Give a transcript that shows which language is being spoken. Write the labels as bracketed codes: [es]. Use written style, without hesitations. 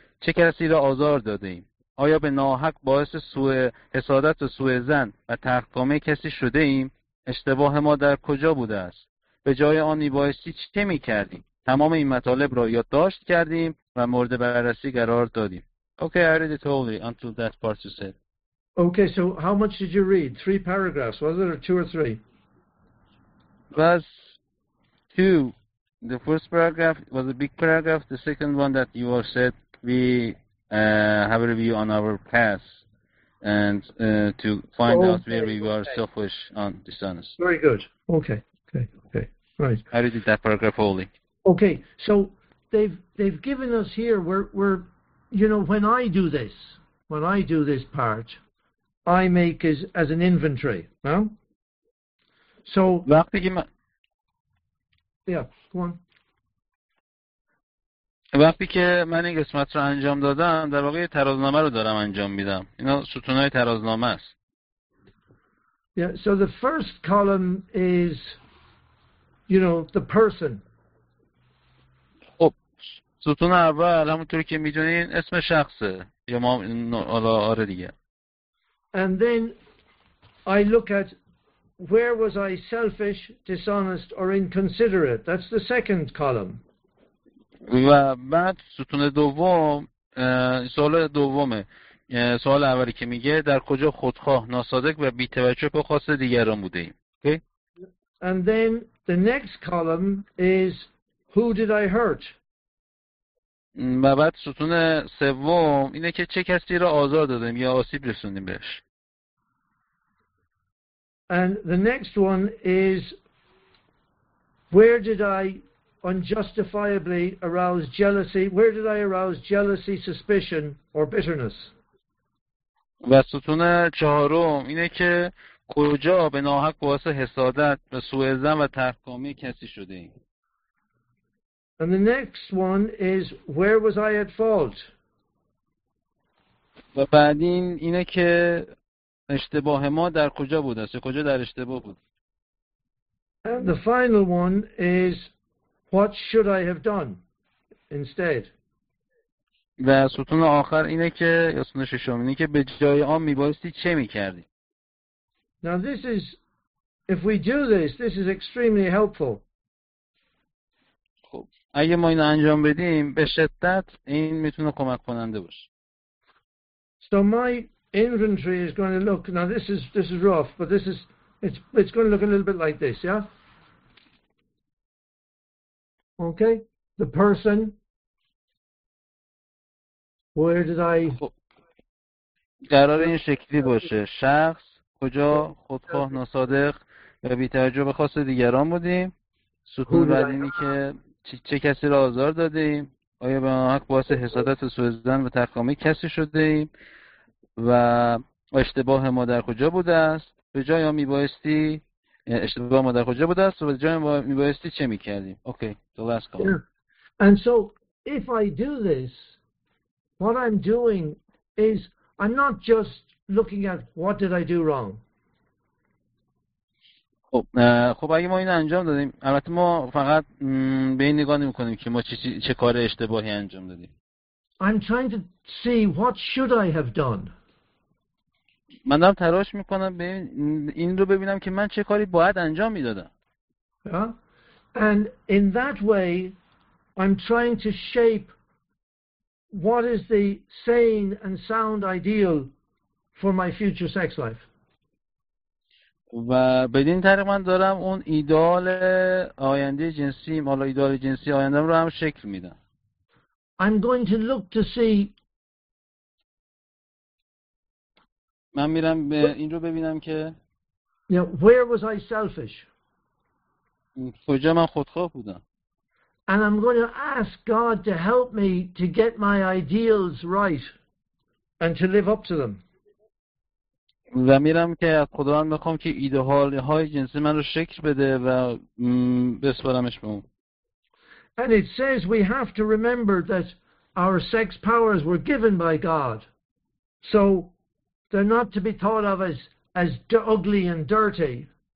[fa] چه کسی را آزار داده ایم؟ آیا به ناحق باعث سوء حسادت و سوء ظن و تحقیرکامه کسی شده ایم؟ اشتباه ما در کجا بوده است؟ به جای آن میبایستی چه می کردیم؟ تمام این مطالب را یادداشت کردیم و مورد بررسی قرار دادیم. [en] Okay, I read it totally until that part you said. Okay, so how much did you read? Three paragraphs, was it, or two or three? Was two. The first paragraph was a big paragraph. The second one that you all said, we have a review on our past and to find okay, out where we okay. were selfish and dishonest. Very good. Okay, okay, okay. Right. I read that paragraph only. Okay, so they've given us here, we're you know, when I do this part, I make it as an inventory. Huh? So, [fa] وقتی که من [en] yeah, [fa] وقتی که من این قسمت رو انجام دادم، در واقع ترازنامه رو دارم انجام میدم. اینا ستونای ترازنامه است. [en] Yeah, so the first column is, you know, the person. [fa] خب ستون اول همونطور که میدونین اسم شخصه یا ما حالا آره دیگه. [en] And then I look at where was I selfish, dishonest, or inconsiderate. That's the second column. [fa] و بعد ستون دوم سوال دومه. سوال اولی که میگه در کجا خودخواه ناسادق و بیتوجه به خواست دیگران بوده ایم. [en] Okay. And then the next column is who did I hurt? [fa] و بعد ستون سوم اینه که چه کسی را آزار دادیم یا آسیب رسوندیم بهش. [en] And the next one is where did I unjustifiably arouse jealousy? Where did I arouse jealousy, suspicion or bitterness? [fa] و ستون چهارم اینه که کجا به ناحق باعث حسادت و سوء زن و تحکامی کسی شده ایم. [en] And the next one is where was I at fault? [fa] و بعد اینه که اشتباه ما در کجا بود است، کجا در اشتباه بود. [en] And the final one is what should I have done instead? [fa] و ستون آخر اینه که یا ستون ششم اینه که به جای آن میبایستی چه میکردی. [en] Now this is if we do this, this is extremely helpful. [fa] خب اگه ما اینو انجام بدیم به شدت این میتونه کمک کننده باشه. [en] So my inventory is going to look, now this is rough, but this is it's going to look a little bit like this, yeah? Okay, the person. Where did I [fa] قرار این شکلی باشه، شخص کجا خودخواه ناصادق و بی‌توجه به خواست دیگران بودیم، ستون بعد اینی که چه کسی را آزار دادیم، آیا به ناحق باعث حسادت و سوءزن و تحکامی کسی شده ایم و اشتباه ما در کجا بوده است، به جای ما میبایستی اشتباه ما در کجا بوده است و به جای ما میبایستی چه میکردیم. [en] Okay تو last call. And so if I do this, what I'm doing is I'm not just looking at what did I do wrong. [fa] خب اگه ما این انجام دادیم، البته ما فقط به این نگاه نمی کنیم که ما چه کار اشتباهی انجام دادیم. [en] I'm trying to see what should I have done. [fa] من دارم تلاش می کنم این رو ببینم که من چه کاری باید انجام می دادم. [en] Yeah. And in that way I'm trying to shape what is the sane and sound ideal for my future sex life. [fa] و بدین طریق من دارم اون ایدال آینده جنسی، حالا ایدال جنسی آیندهم رو هم شکل میدم. [en] I'm going to look to see. [fa] من میرم به این رو ببینم که [en] yeah, where was I selfish? [fa] کجا من خودخواه بودم. [en] And I'm going to ask God to help me to get my ideals right and to live up to them. [fa] و میرم که از خداوند میخوام که ایدئال‌های جنسی من رو شکل بده و بسپارمش به اون. [en] And it says we have to remember that our sex powers were given by God. So they're not to be thought of as ugly and dirty.